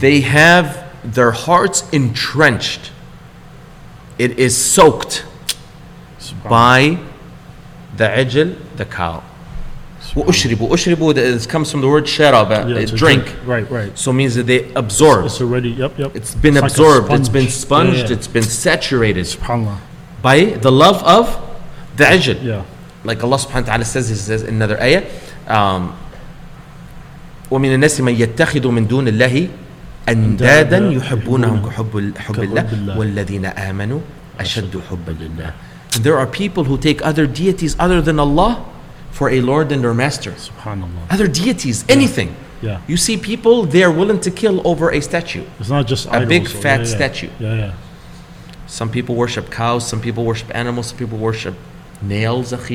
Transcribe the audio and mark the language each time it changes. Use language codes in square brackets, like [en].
[en] They have their hearts entrenched. It is soaked by the ajl, the cow. Ushribu, it comes from the word sharaba, drink. Right. So it means that they absorb. It's already, yep. It's been it's absorbed, like it's been sponged, yeah. It's been saturated. SubhanAllah. By the love of the ajl. Yeah. Like Allah Subhanahu wa Ta'ala says, He says in another ayah, [ar] وَمِنَ النَّاسِ مَنْ يَتَّخِذُ مِنْ دُونِ اللَّهِ أَنْدَادًا يُحِبُّونَهُمْ كُحُبُّ اللَّهِ وَالَّذِينَ آمَنُوا أَشَدُّ حُبَّ لِلَّهِ. [en] There are people who take other deities other than Allah for a lord and their master. SubhanAllah. Other deities, anything. Yeah. You see people, they're willing to kill over a statue. It's not just a big fat statue. Yeah. Some people worship cows, some people worship animals, some people worship nails,